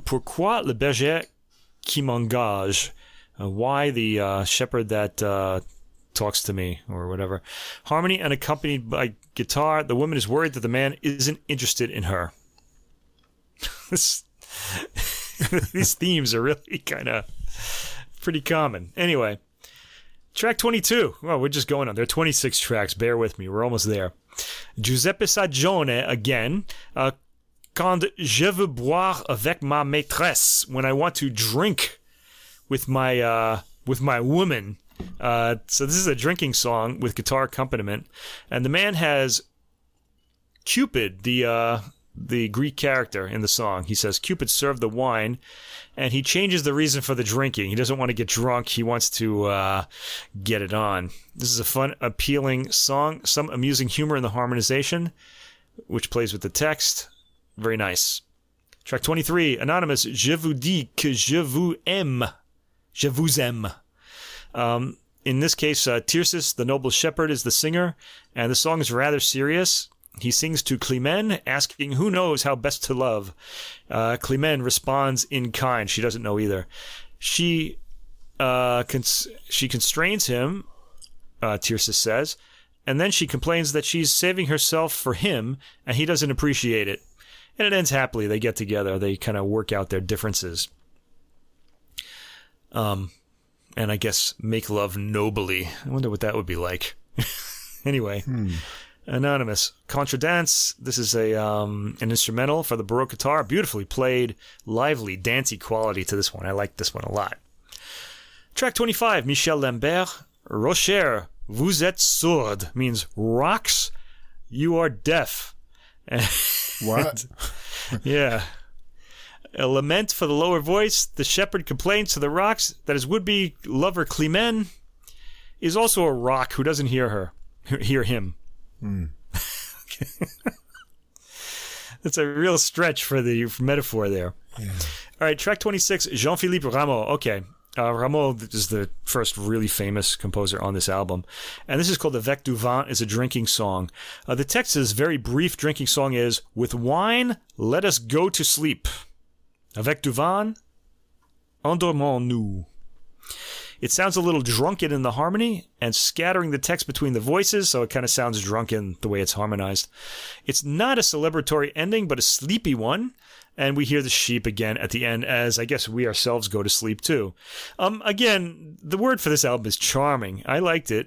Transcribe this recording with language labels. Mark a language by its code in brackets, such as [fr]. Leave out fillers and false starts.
[fr] Pourquoi le berger qui m'engage? [en] Why the shepherd that talks to me, or whatever. Harmony and accompanied by guitar. The woman is worried that the man isn't interested in her. These themes are really kind of pretty common. Anyway, track 22. Well, we're just going on. There are 26 tracks. Bear with me. We're almost there. Giuseppe Sagione again. [fr] Quand je veux boire avec ma maîtresse. [en] When I want to drink with my woman. So this is a drinking song with guitar accompaniment, and the man has Cupid, the Greek character in the song. He says Cupid served the wine, and he changes the reason for the drinking. He doesn't want to get drunk. He wants to get it on. This is a fun, appealing song. Some amusing humor in the harmonization, which plays with the text. Very nice. Track 23, anonymous, Je vous dis que je vous aime. [fr] Je vous aime. [en] In this case, Tircis, the noble shepherd, is the singer, and the song is rather serious. He sings to Climène, asking who knows how best to love. Climène responds in kind. She doesn't know either. She constrains him, Tircis says, and then she complains that she's saving herself for him, and he doesn't appreciate it. And it ends happily. They get together. They kind of work out their differences. And I guess make love nobly. I wonder what that would be like. Anyway, Anonymous. Contra Dance. This is a an instrumental for the baroque guitar. Beautifully played, lively, dancey quality to this one. I like this one a lot. Track 25, Michel Lambert. [fr] Rocher, vous êtes sourde. [en] Means rocks, you are deaf. What? Yeah. A lament for the lower voice. The shepherd complains to the rocks that his would-be lover, Climen, is also a rock who doesn't hear her. Hear him. Mm. That's a real stretch for the metaphor there. Yeah. All right, track 26, Jean-Philippe Rameau. Okay, Rameau is the first really famous composer on this album. And this is called Avec du vin. It's a drinking song. The text is very brief drinking song is, with wine, let us go to sleep. [fr] Avec du vin, endormons-nous. [en] It sounds a little drunken in the harmony and scattering the text between the voices, so it kind of sounds drunken the way it's harmonized. It's not a celebratory ending, but a sleepy one. And we hear the sheep again at the end as, I guess, we ourselves go to sleep too. Again, the word for this album is charming. I liked it.